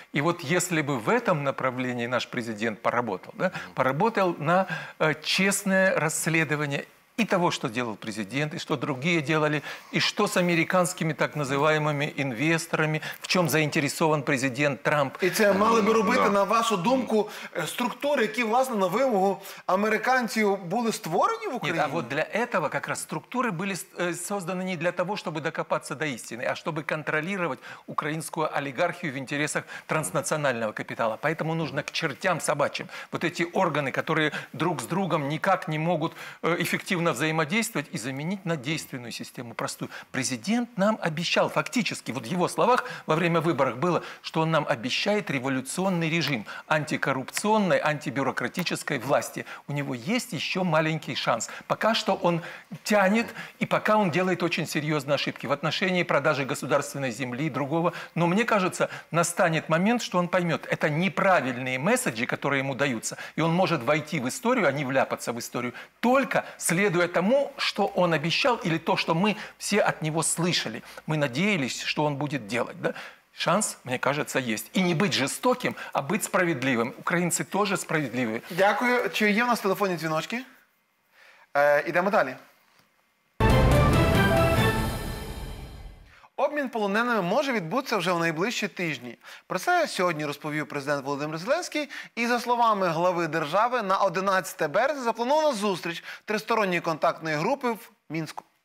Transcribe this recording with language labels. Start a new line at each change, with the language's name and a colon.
Russian: И вот если бы в этом направлении наш президент поработал, да, поработал на честное расследование и того, что делал президент, и что другие делали, и что с американскими так называемыми инвесторами, в чем заинтересован президент Трамп.
Ukrainian: І це мали би робити, на вашу думку, структури, які, власне, на вимогу американців були створені в Україні?
Russian: А вот для этого как раз структури были созданы не для того, чтобы докопаться до истины, а чтобы контролировать украинскую олигархию в интересах транснационального капитала. Поэтому нужно к чертям собачьим вот эти органы, которые друг с другом никак не могут эффективно взаимодействовать и заменить на действенную систему простую. Президент нам обещал, фактически, вот в его словах во время выборов было, что он нам обещает революционный режим антикоррупционной, антибюрократической власти. У него есть еще маленький шанс. Пока что он тянет и пока он делает очень серьезные ошибки в отношении продажи государственной земли и другого. Но мне кажется, настанет момент, что он поймет, это неправильные месседжи, которые ему даются. И он может войти в историю, а не вляпаться в историю. Только следуя тому, что он обещал, или то, что мы все от него слышали. Мы надеялись, что он будет делать. Да? Шанс, мне кажется, есть. И не быть жестоким, а быть справедливым. Украинцы тоже справедливые.
Ukrainian: Дякую. Чи є у нас в телефоні дзвіночки? Йдемо далі. Обмін полоненими може відбутися вже в найближчі тижні. Про це сьогодні розповів президент Володимир Зеленський. І за словами глави держави, на 11 березня запланована зустріч тристоронньої контактної групи в Мінську.